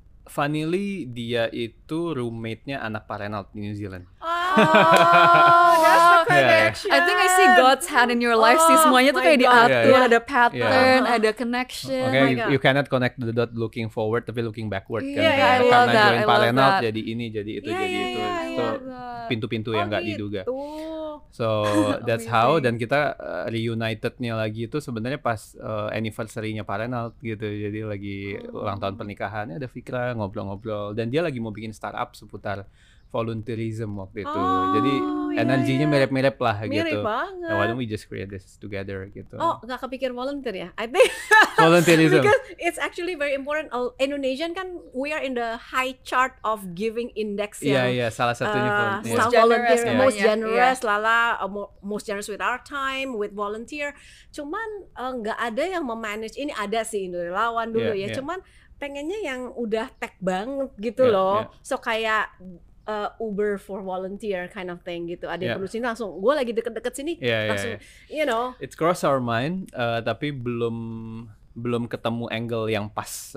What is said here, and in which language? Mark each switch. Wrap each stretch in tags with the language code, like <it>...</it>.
<id>Funnily, dia itu roommate-nya anak Parenal di New Zealand.</id> <en>Oh, that's the connection. I think I see God's hand in your life sih.</en> <id>Semuanya tuh kayak diatur, ada pattern, ada connection.</id> <en>Okay, you cannot connect the dot looking forward, tapi looking backward. Yeah,</en> <id>kan?</id> <en>I love</en> <id>karena</id> <en>that.</en> <id>Join Parenal, jadi ini, jadi itu, itu pintu-pintu yang gak diduga.</id> <en>So, that's how.</en> <id>Dan kita reunited-nya lagi itu sebenarnya pas anniversary-nya Parenal gitu. Jadi lagi ulang tahun pernikahannya ada Fikra. Ngobrol-ngobrol dan dia lagi mau bikin startup seputar volunteerism waktu itu. Jadi energinya mirip-mirip lah gitu. Mirip banget.</id> <en>And why don't we just create this together gitu.</en> <id>Oh, enggak kepikir volunteer ya. I think</id> <en>volunteerism. Because it's actually very important. Indonesian kan we are in the high chart of giving index ya.</en> <id>Iya, salah satunya</id> <en>most generous most generous with our time, with volunteer.</en> <id>Cuman enggak ada yang memanage. Ini ada sih Indo Relawan dulu cuman pengennya yang udah tech banget gitu so kayak</id> <en>Uber for volunteer kind of thing</en> <id>gitu. Ada yang perlu sini langsung, gue lagi deket-deket sini, you know.</id> <en>It's cross our mind,</en> <id>tapi belum ketemu angle yang pas</id>